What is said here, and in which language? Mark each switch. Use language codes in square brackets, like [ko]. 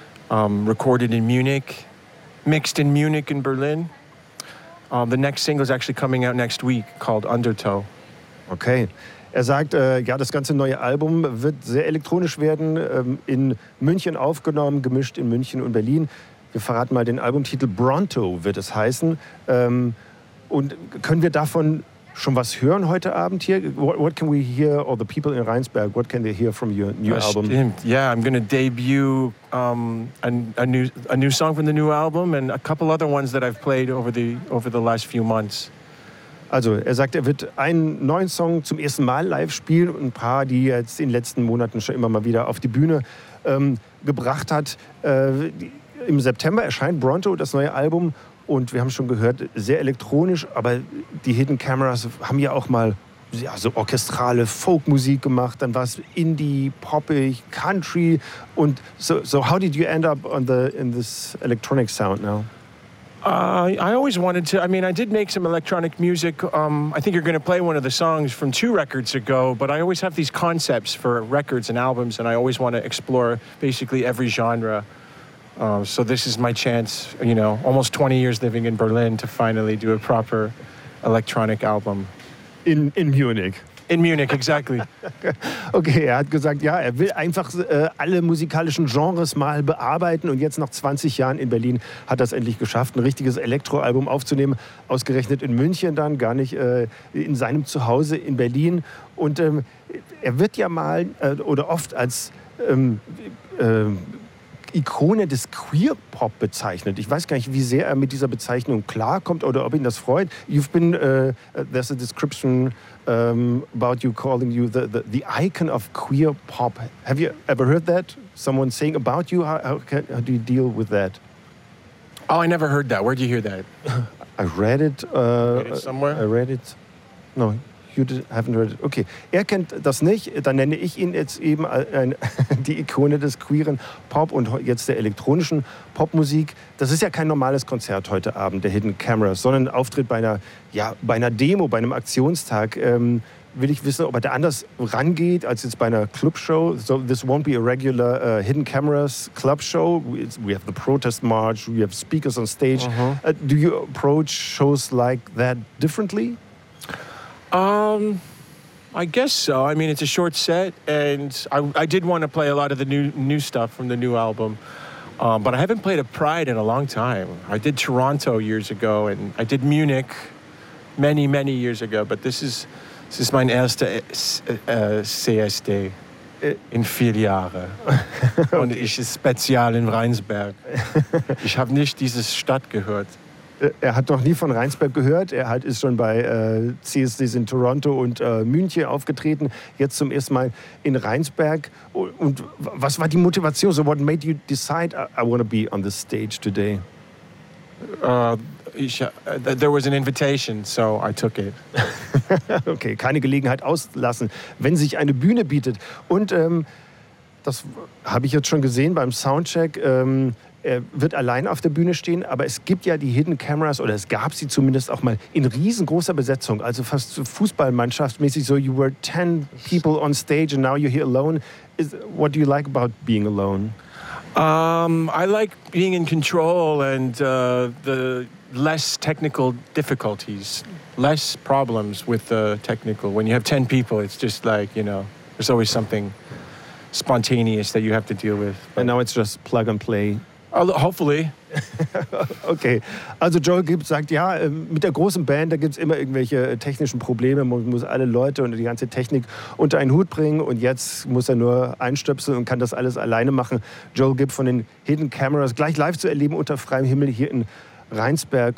[en] Recorded in Munich, mixed in Munich and Berlin. The next single is actually coming out next week, called Undertow. Okay. [de] Er sagt, ja, das ganze neue Album wird sehr elektronisch werden, in München aufgenommen, gemischt in München und Berlin. Wir verraten mal den Albumtitel, Bronto wird es heißen. Und können wir davon schon was hören heute Abend hier? [en] What can we hear, or the people in Rheinsberg, what can they hear from your new album? [de] Stimmt. [en] Yeah, I'm going to debut a new song from the new album and a couple other ones that I've played over the last few months. [de] Also, er sagt, er wird einen neuen Song zum ersten Mal live spielen und ein paar, die jetzt in den letzten Monaten schon immer mal wieder auf die Bühne gebracht hat. Im September erscheint Bronto, das neue Album, und wir haben schon gehört, sehr elektronisch, aber die Hidden Cameras haben ja auch mal ja, so orchestrale Folkmusik gemacht, dann war es Indie, Poppig, Country, und [en] so how did you end up in this electronic sound now? I always wanted to. I mean, I did make some electronic music. I think you're going to play one of the songs from two records ago, but I always have these concepts for records and albums, and I always want to explore basically every genre. So this is my chance, you know, almost 20 years living in Berlin to finally do a proper electronic album. In Munich. In Munich, exactly. [de] Okay, er hat gesagt, ja, er will einfach alle musikalischen Genres mal bearbeiten. Und jetzt nach 20 Jahren in Berlin hat er es endlich geschafft, ein richtiges Elektroalbum aufzunehmen. Ausgerechnet in München dann, gar nicht in seinem Zuhause in Berlin. Und er wird ja mal oder oft als Ikone des Queer-Pop bezeichnet. Ich weiß gar nicht, wie sehr er mit dieser Bezeichnung klarkommt oder ob ihn das freut. [en] You've been, there's a description about you calling you the icon of Queer-Pop. Have you ever heard that? Someone saying about you? How do you deal with that? Oh, I never heard that. Where did you hear that? I read it. Read it somewhere? I read it. No. You haven't heard it. [de] Okay, er kennt das nicht, dann nenne ich ihn jetzt eben die Ikone des queeren Pop und jetzt der elektronischen Popmusik. Das ist ja kein normales Konzert heute Abend, der Hidden Cameras, sondern ein Auftritt bei einer Demo, bei einem Aktionstag. Will ich wissen, ob er da anders rangeht als jetzt bei einer Clubshow. [en] So this won't be a regular Hidden Cameras club show. We have the protest march, we have speakers on stage. Uh-huh. Do you approach shows like that differently? I guess so. I mean, it's a short set, and I did want to play a lot of the new stuff from the new album, but I haven't played a Pride in a long time. I did Toronto years ago, and I did Munich many, many years ago, but this is [de] mein erster CSD in vier Jahre. Und ich ist spezial in Rheinsberg. Ich habe nicht diese Stadt gehört. Er hat noch nie von Rheinsberg gehört. Er ist schon bei CSDs in Toronto und München aufgetreten. Jetzt zum ersten Mal in Rheinsberg. Und was war die Motivation? [en] So what made you decide I want to be on the stage today? There was an invitation, so I took it. [de] Okay, keine Gelegenheit auslassen, wenn sich eine Bühne bietet. Und das habe ich jetzt schon gesehen beim Soundcheck. Er wird allein auf der Bühne stehen, aber es gibt ja die Hidden Cameras, oder es gab sie zumindest auch mal in riesengroßer Besetzung, also fast fußballmannschaftsmäßig, [en] so you were 10 people on stage and now you're here alone. What do you like about being alone? I like being in control and the less technical difficulties, less problems with the technical. When you have 10 people, it's just like, you know, there's always something spontaneous that you have to deal with. But and now it's just plug and play. Hopefully. [de] Okay, also Joel Gibb sagt, ja, mit der großen Band, da gibt es immer irgendwelche technischen Probleme. Man muss alle Leute und die ganze Technik unter einen Hut bringen. Und jetzt muss er nur einstöpseln und kann das alles alleine machen. Joel Gibb von den Hidden Cameras, gleich live zu erleben unter freiem Himmel hier in Reinsberg.